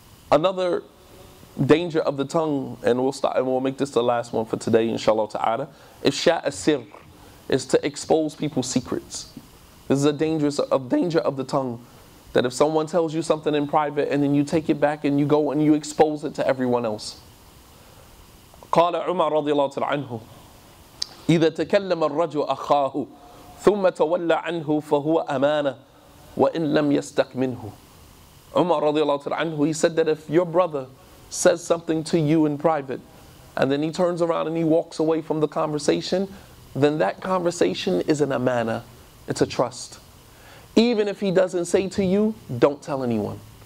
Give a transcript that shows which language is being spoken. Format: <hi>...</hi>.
<en>Another danger of the tongue, and we'll start, and we'll make this the last one for today, inshallah ta'ala, ifsha asir, is to expose people's secrets. This is a danger of the tongue, that if someone tells you something in private, and then you take it back and you go and you expose it to everyone else.</en> <ar>Qala Umar radiallahu ta'ala anhu, إِذَا تَكَلَّمَ الرَّجُلُ أَخَاهُ ثُمَّ تَوَلَّ عَنْهُ فَهُوَ أَمَانَةٌ وَإِنْ لَمْ يَسْتَكْ مِنْهُ.</ar> <en>Umar radiallahu ta'ala anhu, he said that if your brother says something to you in private, and then he turns around and he walks away from the conversation, then that conversation is an amana, it's a trust. Even if he doesn't say to you, don't tell anyone.</en>